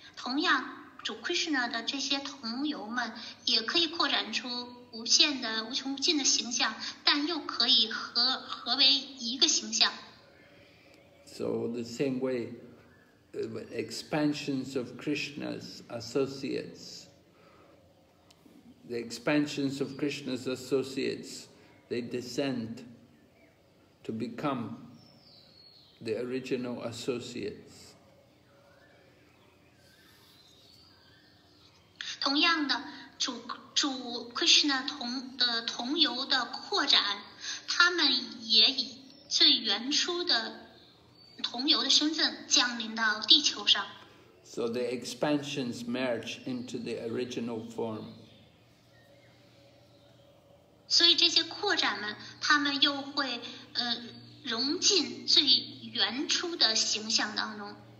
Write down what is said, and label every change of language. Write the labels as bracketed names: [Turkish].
[Chinese] 同样主 Krishna 的这些同游们也可以扩展出无限的无穷无尽的形象，但又可以合为一个形象。 [English] So the same way expansions of Krishna's associatesThe expansions of Krishna's associates, they descend to become the original associates. [Chinese] 同样的，主 Krishna 同游的扩展，他们也以最原初的同游的身份降临到地球上。 [English] So the expansions merge into the original form. [Chinese] 所以这些扩展们，他们又会融进最原初的形象当中。